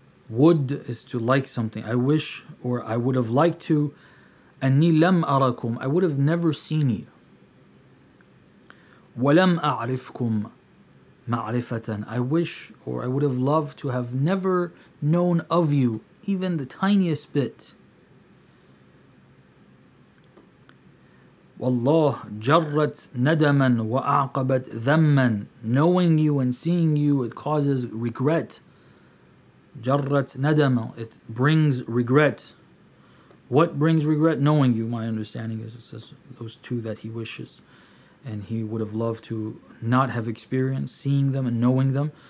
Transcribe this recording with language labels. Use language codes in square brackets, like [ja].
[en] Would is to like something. I wish, or I would have liked to, [ar] أَنِّي لَمْ أَرَكُمْ. [en] I would have never seen you. [ar] وَلَمْ أَعْرِفْكُمْ. معرفةً. [en] I wish, or I would have loved to have never known of you, even the tiniest bit. [ar] والله جرت ندما وأعقبت ذما. [en] Knowing you and seeing you, it causes regret. [ar] جرت ندما. [en] It brings regret. What brings regret? Knowing you. My understanding is it says those two that he wishes, and he would have loved to not have experienced seeing them and knowing them.